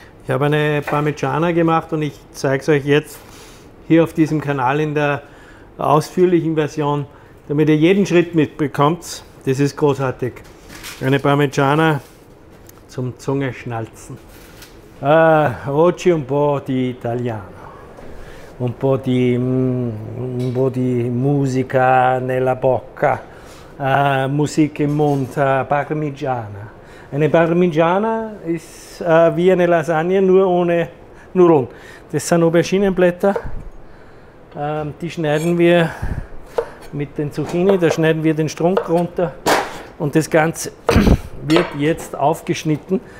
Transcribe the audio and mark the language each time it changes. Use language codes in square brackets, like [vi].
[de] Ich habe eine Parmigiana gemacht und ich zeige es euch jetzt hier auf diesem Kanal in der ausführlichen Version, damit ihr jeden Schritt mitbekommt. Das ist großartig. Eine Parmigiana zum Zungenschnalzen. [it] Oggi un po' di italiano. Un po' di musica nella bocca. [de] Musik im Mund, Parmigiana. Eine Parmigiana ist wie eine Lasagne, nur ohne Nudeln. Das sind Auberginenblätter. Die schneiden wir mit den Zucchini, da schneiden wir den Strunk runter. Und das Ganze wird jetzt aufgeschnitten.